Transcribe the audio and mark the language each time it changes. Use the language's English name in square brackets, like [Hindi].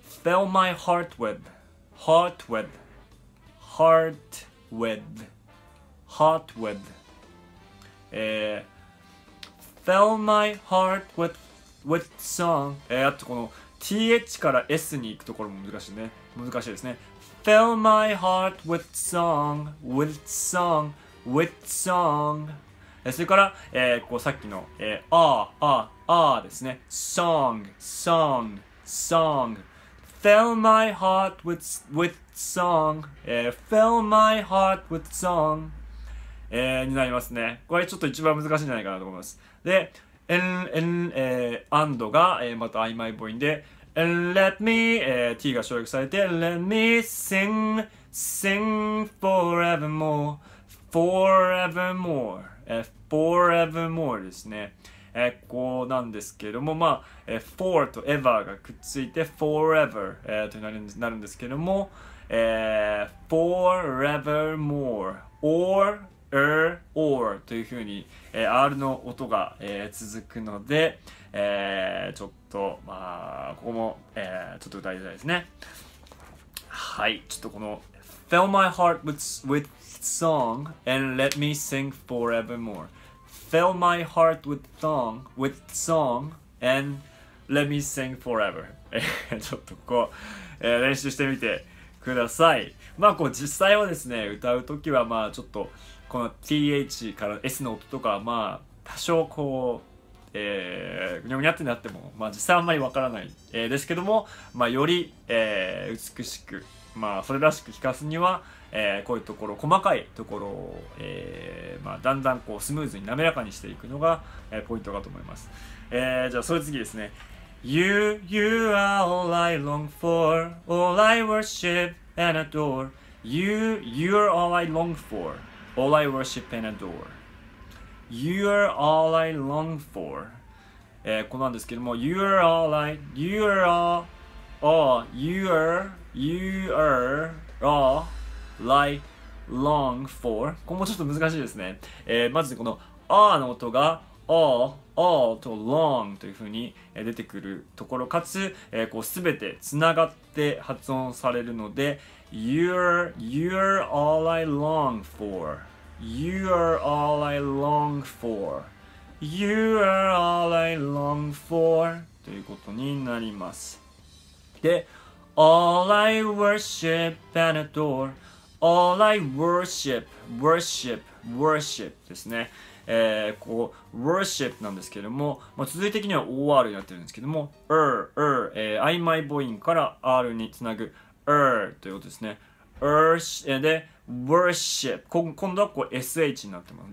[English] fill my heart with、 heart with、 heart with、 heart with、 fill my heart with song、 [Japanese] あとこのth から s に行くところも難しいね。難しいですね。 [English] fill my heart with song, with song, with song。 [Japanese] それから、こうさっきの、ですね。 [English] song, song, song。 fill my heart with song, fill my heart with song、 [Japanese] になりますね。これちょっと一番難しいんじゃないかなと思います。で、and が、また曖昧母音で、And let me、T が省略されて [English] Let me sing, sing forevermore, forevermore、forevermore [Japanese] ですね、こうなんですけども、まあ、for と ever がくっついて forever、となるなるんですけども、 [English] forevermore or or [Japanese] というふうに、R の音が、続くので、ちょっとまあここも、ちょっと大事ですね。はい、ちょっとこの [English] Fill my heart with song and let me sing forevermore. Fill my heart with song and let me sing forever. [Japanese] ちょっとこう、練習してみてください。まあこう実際はですね、歌うときはまあちょっとこの th から s の音とかまあ多少こうグニョグニョってなっても、まあ、実際あんまりわからない、ですけども、まあ、より、美しく、まあ、それらしく聞かすには、こういうところ細かいところを、まあ、だんだんこうスムーズに滑らかにしていくのが、ポイントかと思います。じゃあそれ次ですね。 [English] You are all I long for, all I worship and adore. You are all I long for, all I worship and adoreYou are all I long for、 [Japanese] こうなんですけども、 [English] You are all I You are all、You are all I long for。 [Japanese] ここもちょっと難しいですね、まずこの R の音が All と long というふうに出てくるところ、かつ、こう全てつながって発音されるので、 [English] You are all I long forYou are all I long for. You are all I long for. [Japanese] ということになります。 [English] で、All I worship and adore. All I worship, worship, worship [Japanese] ですね。こう、worship なんですけれども、まあ、続いて的には OR になってるんですけども、曖昧母音から R につなぐ R ということですね。 [English] で、worship。 [Japanese] 今度はこう sh になってます。